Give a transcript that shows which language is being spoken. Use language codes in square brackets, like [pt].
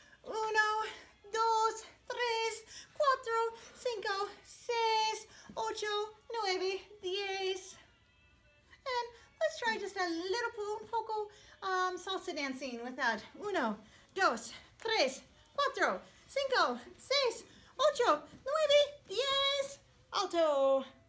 [es] Uno, dos, tres, cuatro, cinco, seis, ocho, nueve, diez. [en] And let's try just a little [es] poco [en] salsa dancing with that. [es] Uno, dos, tres, cuatro, cinco, seis, ocho, nueve, diez, alto.